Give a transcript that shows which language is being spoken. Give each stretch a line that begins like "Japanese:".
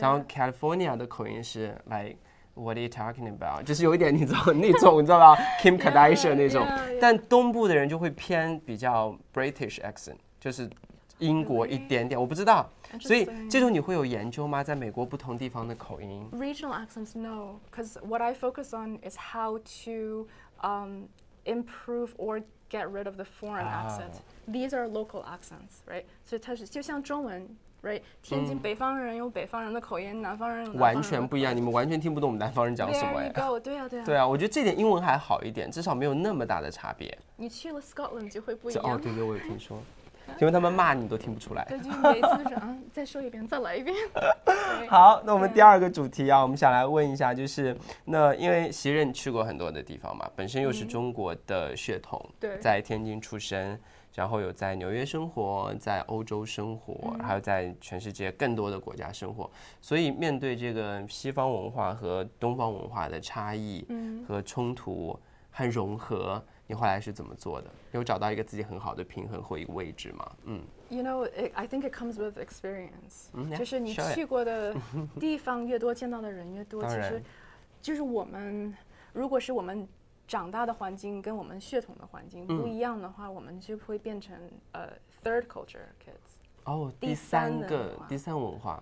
Chinese: 然后 California 的口音是
English: like what are you talking about，
Chinese: 就是有一点你知道那种你知道吧 Kim Kardashian 那种
English: yeah, yeah, yeah.
Chinese: 但东部的人就会偏比较 British accent， 就是英国一点点，我不知道，所以这种你会有研究吗？在美国不同地方的口音
English: regional accents no， because what I focus on is how to、improve orget rid of the foreign、 oh. accent. These are local accents, right? So it's just,
Chinese: 就像中文
English: right?
Chinese: 天津北方人有北方人的口音，南方人有南方人。完全不一样，你们完全听不懂我们南方人讲什么。
English: There you go,
Chinese: 对啊对啊。对啊，我觉得这点英文还好一点，至少没有那么大的差别。你去了 Scotland 就会不一样。哦，对对，我也听说。因为他们骂你都听不出来。对，就每次说，再说一遍，再来一遍。好，那我们第二个主题啊，我们想来问一下，就是那因为习任去过很多的地方嘛，本身又是中国的血统，对，在天津出生，然后有在纽约生活，在欧洲生活，还有在全世界更多的国家生活，所以面对这个西方文化和东方文化的差异和冲突和融合。你后来是怎么做的？有找到一个自己很好的平衡或一个位置吗？嗯
English: ，You know, I think it comes with experience.、 Mm, yeah,
Chinese: 就是你去过的地方越多，见到的人越多。其实，就是我们如果是我们长大的环境跟我们血统的环境不一样的话，我们就会变成third culture kids. 哦、oh, ，第三个第三文化。